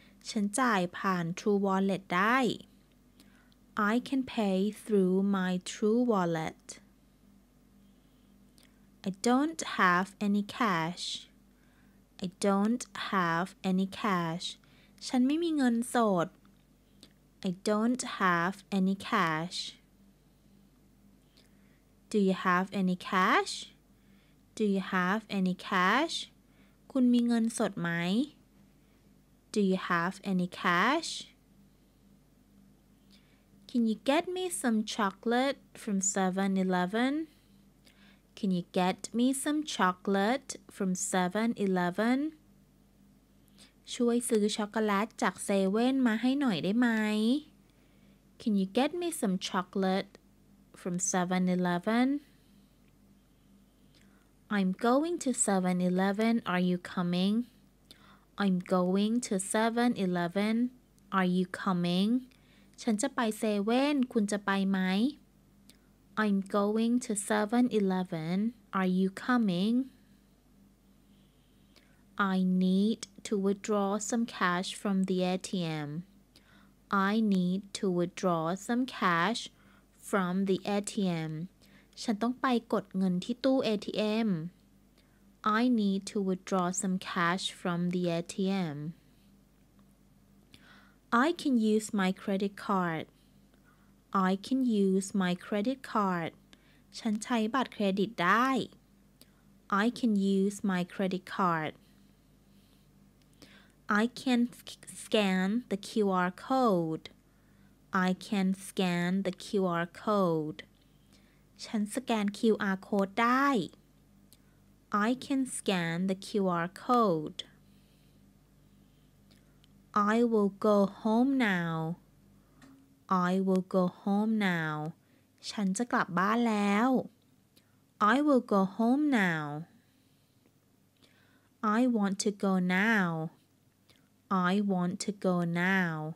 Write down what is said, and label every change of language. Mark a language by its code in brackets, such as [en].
[th] ฉันจ่ายผ่าน true wallet ได้ [en] I can pay through my true wallet. I don't have any cash. I don't have any cash. [th] ฉันไม่มีเงินสด [en] I don't have any cash. Do you have any cash? Do you have any cash? [th] คุณมีเงินสดไหม [en] Do you have any cash? Can you get me some chocolate from 7-Eleven? Can you get me some chocolate from 7-Eleven? [th] ช่วยซื้อช็อกโกแลตจากเซเว่นมาให้หน่อยได้ไหม [en] Can you get me some chocolate?From 7-Eleven. I'm going to 7-Eleven. Are you coming? I'm going to 7-Eleven. Are you coming? [th] ฉันจะไปเซเว่นคุณจะไปไหม [en] I'm going to 7-Eleven. Are you coming? I need to withdraw some cash from the ATM. I need to withdraw some cash from the ATM. [th] ฉันต้องไปกดเงินที่ตู้ ATM. [en] I need to withdraw some cash from the ATM. I can use my credit card. I can use my credit card. [th] ฉันใช้บัตรเครดิตได้ [en] I can use my credit card. I can scan the QR code. I can scan the QR code. [th] ฉันสแกน QR code ได้ [en] I can scan the QR code I will go home now I will go home now [th] ฉันจะกลับบ้านแล้ว [en] I will go home now I want to go now I want to go now